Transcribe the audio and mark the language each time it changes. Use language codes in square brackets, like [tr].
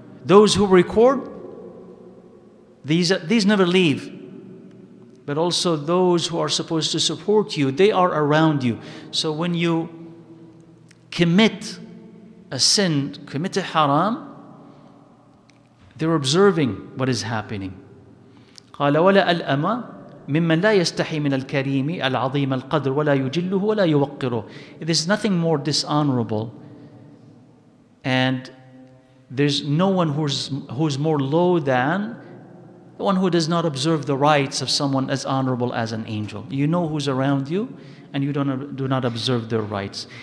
[en] Those who record, these never leave. But also those who are supposed to support you, they are around you. So when you commit a sin, commit a haram, they're observing what is happening. [ar] قال ولا الأمى ممن لا يستحي من الكريم العظيم القدر ولا يجله ولا يوقره. [en] There's nothing more dishonorable, and there's no one who's more low than the one who does not observe the rights of someone as honorable as an angel. You know who's around you, and you do not observe their rights.